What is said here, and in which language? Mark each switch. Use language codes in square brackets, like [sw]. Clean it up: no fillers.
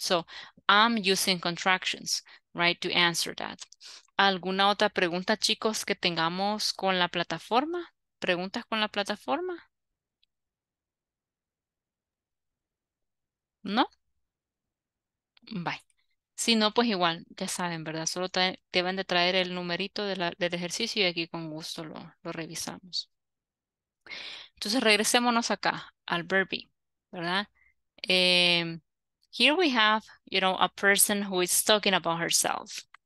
[en] So I'm using contractions, right, to answer that. [es] ¿Alguna otra pregunta, chicos, que tengamos con la plataforma? ¿Preguntas con la plataforma? ¿No? Bye. Si no, pues igual, ya saben, ¿verdad? Solo deben de traer el numerito del ejercicio y aquí con gusto lo revisamos. Entonces, regresémonos acá al verbi, ¿verdad? [en] Here we have, a person who is talking about herself.